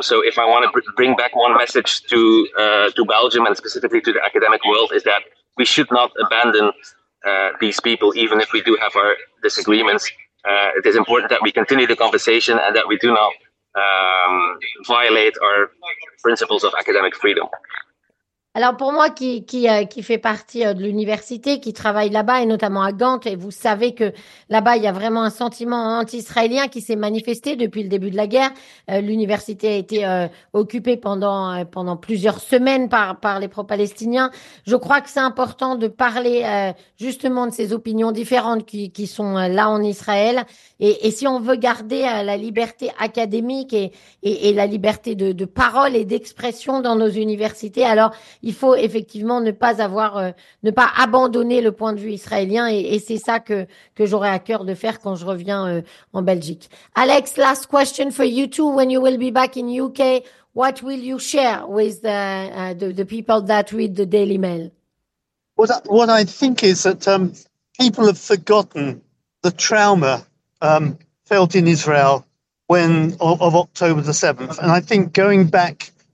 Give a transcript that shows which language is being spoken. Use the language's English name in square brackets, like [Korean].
[English] So if I want to bring back one message to Belgium and specifically to the academic world, is that we should not abandon these people, even if we do have our disagreements. It is important that we continue the conversation and that we do not violate our principles of academic freedom. [French] Alors pour moi qui fait partie de l'université, qui travaille là-bas et notamment à Gand, et vous savez que là-bas il y a vraiment un sentiment anti-israélien qui s'est manifesté depuis le début de la guerre. L'université a été occupée pendant plusieurs semaines par les pro-palestiniens. Je crois que c'est important de parler justement de ces opinions différentes qui sont là en Israël. Et si on veut garder la liberté académique et la liberté de parole et d'expression dans nos universités, alors il faut effectivement ne pas abandonner le point de vue israélien et c'est ça que j'aurai à cœur de faire quand je reviens en Belgique. [English] Alex, last question for you too. When you will be back in UK, what will you share with the people that read the Daily Mail? What I think is that people have forgotten the trauma felt in Israel when of October the 7th, and I think going back